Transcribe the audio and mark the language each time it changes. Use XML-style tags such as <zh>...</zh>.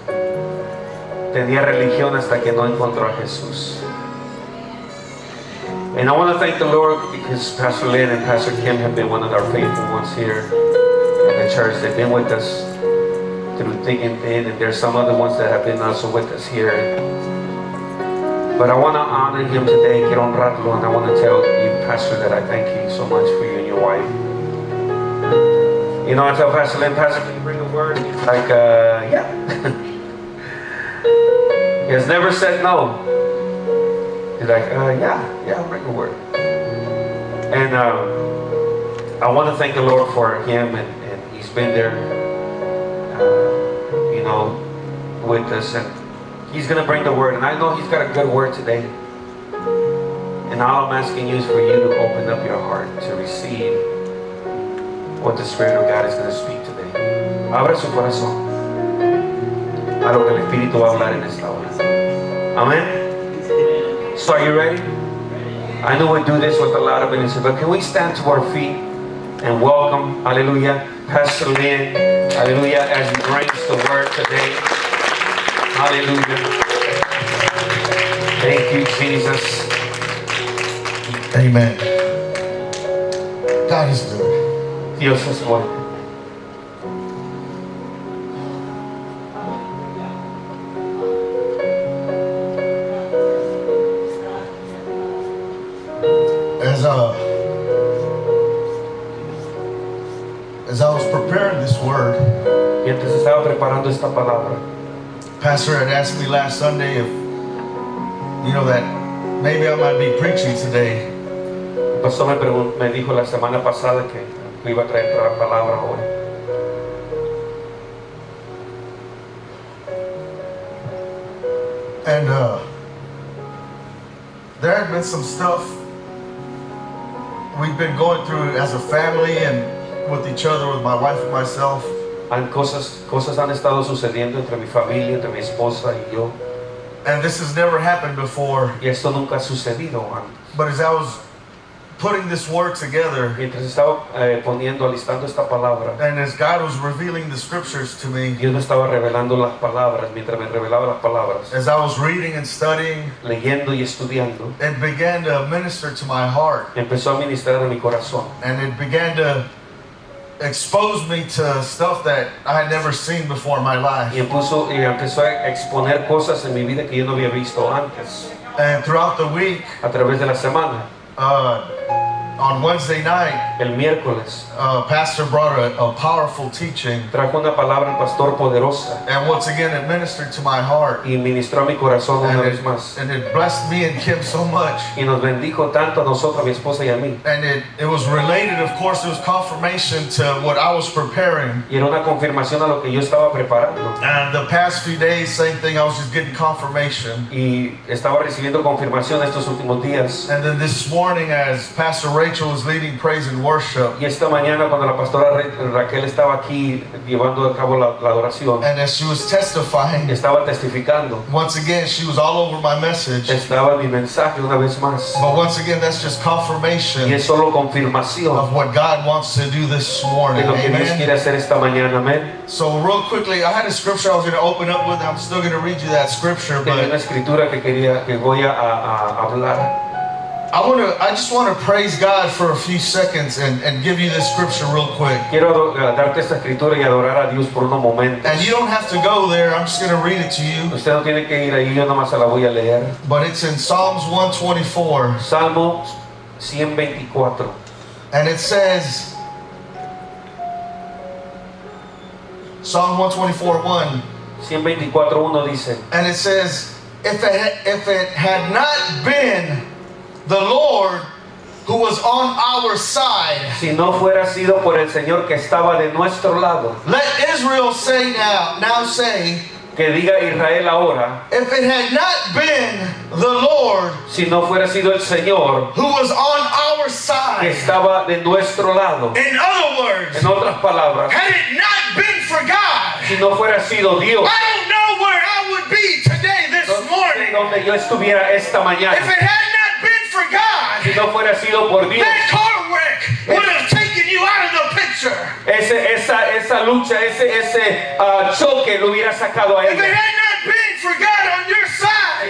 <es>Tenía religión hasta que no encontró a Jesús.</es> <en>And I want to thank the Lord because Pastor Lynn and Pastor Kim have been one of our faithful ones here at the church. They've been with us through thick and thin, and there's some other ones that have been also with us here. But I want to honor him today,</en> <es>quiero honrarlo,</es> <en>and I want to tell you, Pastor, that I thank you so much for you and your wife. You know, I tell Pastor Lynn, Pastor, can you bring a word? Like, yeah. He has never said no. He's like, I'll bring a word. And I want to thank the Lord for him, and he's been there, with us. And he's going to bring the word. And I know he's got a good word today. And all I'm asking you is for you to open up your heart to receive what the Spirit of God is going to speak today.</en> <es>Abra su corazón a lo que el Espíritu va a hablar en esta hora.</es> <en>Amen. So are you ready? I know we do this with a lot of ministry, but can we stand to our feet and welcome, hallelujah, Pastor Lynn, hallelujah, as he brings the word today. Hallelujah. Thank you, Jesus. Amen. God is good.</en> <es>Dios es bueno.</es> <en>As I was preparing this word,</en> <es>mientras estaba preparando esta palabra,</es> <en>Pastor had asked me last Sunday if, you know, that maybe I might be preaching today.</en> <es>El pastor me dijo la semana pasada que iba a traer la palabra hoy.</es> <en>And there had been some stuff we've been going through as a family and with each other, with my wife and myself.</en> <es>And cosas han estado sucediendo entre mi familia, entre mi esposa y yo.</es> <en>And this has never happened before.</en> <es>Y esto nunca ha sucedido antes.</es> <en>But as I was putting this word together,</en> <es>mientras estaba poniendo, alistando esta palabra,</es> <en>and as God was revealing the scriptures to me,</en> <es>Dios me estaba revelando las palabras, mientras me revelaba las palabras,</es> <en>as I was reading and studying,</en> <es>leyendo y estudiando,</es> <en>it began to minister to my heart,</en> <es>empezó a ministrar a mi corazón,</es> <en>and it began to expose me to stuff that I had never seen before in my life.</en> <es>Y empezó, empezó a exponer cosas en mi vida que yo no había visto antes.</es> <en>And throughout the week,</en> <es>a través de la semana,</es> <en>on Wednesday night,</en> <es>el miércoles,</es> <en>Pastor brought a powerful teaching.</en> <es>Trajo una palabra el pastor poderosa.</es> <en>And once again, it ministered to my heart.</en> <es>Y ministró a mi corazón una vez más.</es> <en>And it blessed me and Kim so much.</en> <es>Y nos bendijo tanto a nosotros, a mi esposa y a mí.</es> <en>And it was related, of course, it was confirmation to what I was preparing.</en> <es>Y era una confirmación a lo que yo estaba preparando.</es> <en>And the past few days, same thing. I was just getting confirmation.</en> <es>Y estaba recibiendo confirmación estos últimos días.</es> <en>And then this morning, as Pastor Rachel was leading praise and worship.</en> <es>Y esta mañana cuando la pastora Raquel estaba aquí llevando a cabo la adoración.</es> <en>And as she was testifying.</en> <es>Estaba testificando.</es> <en>Once again, she was all over my message.</en> <es>Estaba mi mensaje una vez más.</es> <en>But once again, that's just confirmation.</en> <es>Y es solo confirmación.</es> <en>Of what God wants to do this morning.</en> <es>Lo que Dios quiere hacer esta mañana, amen.</es> <en>So real quickly, I had a scripture I was going to open up with. I'm still going to read you that scripture.</en> <es>Tenía una escritura que quería que voy a hablar.</es> <en>I just want to praise God for a few seconds and give you this scripture real quick.</en> <es>Quiero darte esta escritura y adorar a Dios por unos momentos.</es> <en>And you don't have to go there. I'm just going to read it to you.</en> <es>Usted no tiene que ir ahí, yo nomás se la voy a leer.</es> <en>But it's in Psalms 124.</en> <es>Salmo 124.</es> <en>And it says, Psalm</en> <es>124:1. 124:1 dice.</es> <en>And it says, if it had not been the Lord who was on our side.</en> <es>Si no fuera sido por el Señor que estaba de nuestro lado.</es> <en>Let Israel say now say.</en> <es>Que diga Israel ahora.</es> <en>If it had not been the Lord.</en> <es>Si no fuera sido el Señor.</es> <en>Who was on our side.</en> <es>Que estaba de nuestro lado.</es> <en>In other words.</en> <es>En otras palabras.</es> <en>Had it not been for God.</en> <es>Si no fuera sido Dios.</es> <en>I don't know where I would be today, this morning.</en> <es>Donde yo estuviera esta mañana.</es> <en>If it had not been for God.</en> <es>Si no fuera sido por Dios.</es> <en>That car wreck would have taken you out of the picture.</en> <es>Esa lucha, ese choque lo hubiera sacado a él.</es> <en>If it had not been for God on your side.</en>